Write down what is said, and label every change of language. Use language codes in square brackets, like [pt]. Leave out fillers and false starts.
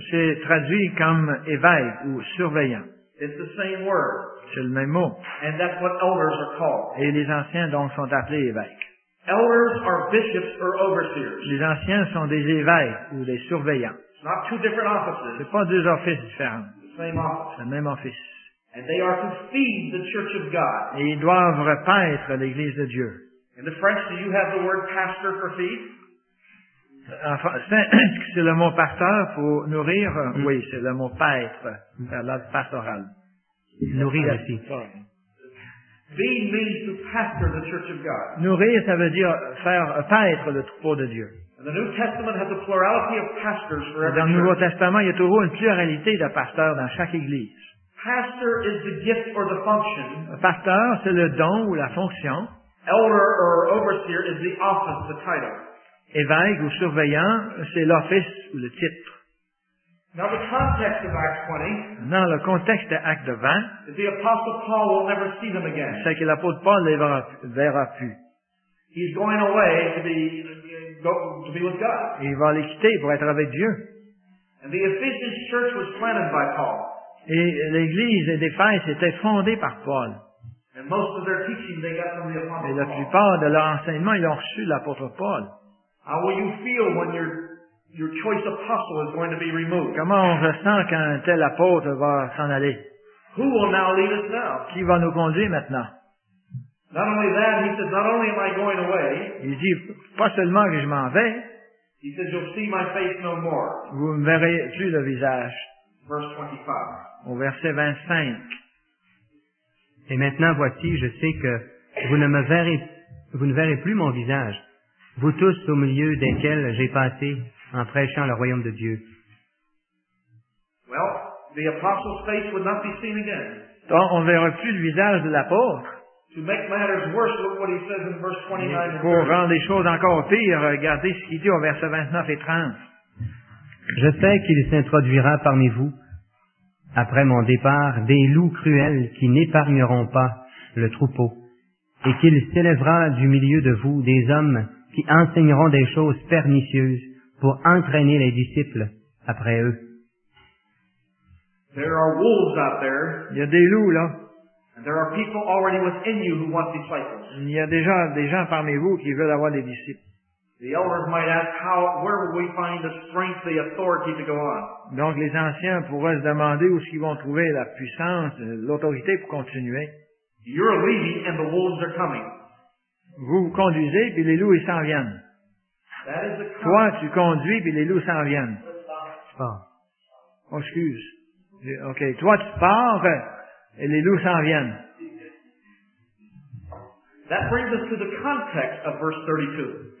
[fr] C'est traduit comme évêque ou surveillant. [en] It's the same word. [fr] C'est le même mot. [en] And that's what elders are called. [fr] Et les anciens donc sont appelés évêques. [en] Elders are bishops or overseers. [fr] Les anciens sont des évêques ou des surveillants. [en] It's not two different offices. [fr] C'est pas deux offices différents. [en] The same office. [fr] Le même office. [en] And they are to feed the church of God. [fr] Et ils doivent repaître l'église de Dieu. [en] In the French, do you have the word pastor for feed? [fr] En français, est-ce que c'est le mot pasteur pour nourrir? Mm. Oui, c'est le mot paître, l'ordre pastoral. Nourrir aussi. [en] Feed means to pastor the church of God. [fr] Nourrir, ça veut dire faire paître le troupeau de Dieu. [en] And the New Testament has a plurality of pastors for every church. [fr] Dans le Nouveau Testament, il y a toujours une pluralité de pasteurs dans chaque église. [en] Pastor is the gift or the function. [fr] Un pasteur, c'est le don ou la fonction. [en] Elder or overseer is the office, the title. [fr] Évêque ou surveillant, c'est l'office ou le titre. [en] Now the context of Acts 20. [fr] Maintenant, le contexte de Acte 20. [en] Is the apostle Paul will never see them again. [fr] C'est que l'apôtre Paul ne les verra plus. [en] He's going away to be with God. [fr] Et il va les quitter pour être avec Dieu. [en] And the Ephesian church was planted by Paul. [fr] Et l'église d'Éphèse était fondée par Paul. [en] And most of their teaching they got from the apostle Paul. [fr] Et la plupart de leur enseignement, ils l'ont reçu de l'apôtre Paul. [en] How will you feel when your choice apostle is going to be removed? [fr] Comment on se sent quand un tel apôtre va s'en aller? [en] Who will now lead us now? [fr] Qui va nous conduire maintenant? [en] Not only that, he says, not only am I going away. [fr] Il dit, pas seulement que je m'en vais. [en] He says, you'll see my face no more. [fr] Vous ne verrez plus le visage. [en] Verse 25. [fr] Au verset 25. Et maintenant, voici, je sais que vous ne verrez plus mon visage, vous tous au milieu desquels j'ai passé en prêchant le royaume de Dieu. [en] Well, the apostle's face would not be seen again. [fr] Donc, on ne verra plus le visage de l'apôtre. [en] To make matters worse, look what he says in verse 29 and 30. [fr] Pour rendre les choses encore pires, regardez ce qu'il dit au verset 29 et 30. Je sais qu'il s'introduira parmi vous, après mon départ, des loups cruels qui n'épargneront pas le troupeau, et qu'il s'élèvera du milieu de vous des hommes qui enseigneront des choses pernicieuses pour entraîner les disciples après eux. [en] There are wolves out there. [fr] Il y a des loups là. [en] And there are people already within you who want disciples. [fr] Il y a déjà des gens parmi vous qui veulent avoir des disciples. [en] The elders might ask, where will we find the strength, the authority to go on? [fr] Donc, les anciens pourraient se demander où est-ce qu'ils vont trouver la puissance, l'autorité pour continuer. [en] You're leading and the wolves are coming. [fr] Vous conduisez, puis les loups, ils s'en viennent. [en] That is the concept. [fr] Toi, tu conduis, puis les loups s'en viennent. Je pars. Oh, excuse. OK. Toi, tu pars, et les loups s'en viennent. [en] That brings us to the context of verse 32.